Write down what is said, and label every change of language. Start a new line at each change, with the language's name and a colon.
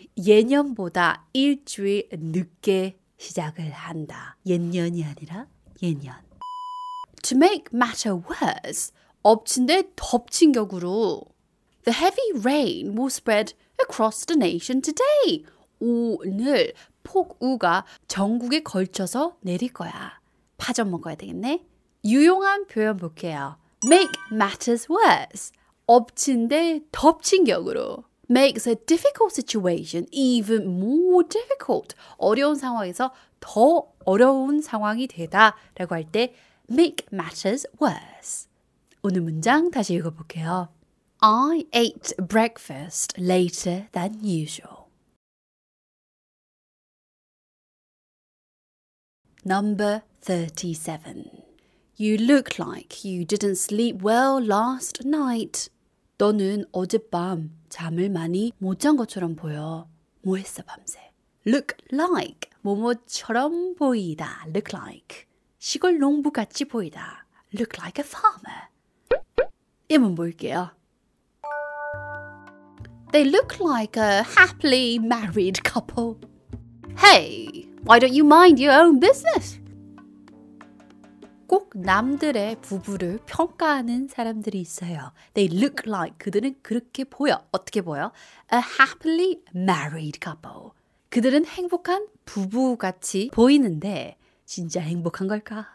Korean: 예년보다 일주일 늦게 시작을 한다. 옛년이 아니라 예년.
English: To make matter worse,
Korean: 엎친데 덮친 격으로
English: the heavy rain will spread across the nation today.
Korean: 오늘 폭우가 전국에 걸쳐서 내릴 거야. 파전 먹어야 되겠네. 유용한 표현 볼게요.
English: Make matters worse.
Korean: 엎친데 덮친 격으로
English: makes a difficult situation even more difficult.
Korean: 어려운 상황에서 더 어려운 상황이 되다라고 할 때
English: make matters worse.
Korean: 오늘 문장 다시 읽어볼게요.
English: I ate breakfast later than usual. Number 37. You look like you didn't sleep well last night.
Korean: 너는 어젯밤 잠을 많이 못 잔 것처럼 보여. 뭐 했어 밤새?
English: Look like.
Korean: 뭐뭐처럼 보이다.
English: Look like.
Korean: 시골 농부같이 보이다.
English: Look like a farmer.
Korean: 예문 볼게요.
English: They look like a happily married couple. Hey, why don't you mind your own business?
Korean: 꼭 남들의 부부를 평가하는 사람들이 있어요.
English: They look like
Korean: 그들은 그렇게 보여. 어떻게 보여?
English: A happily married couple.
Korean: 그들은 행복한 부부같이 보이는데 진짜 행복한 걸까?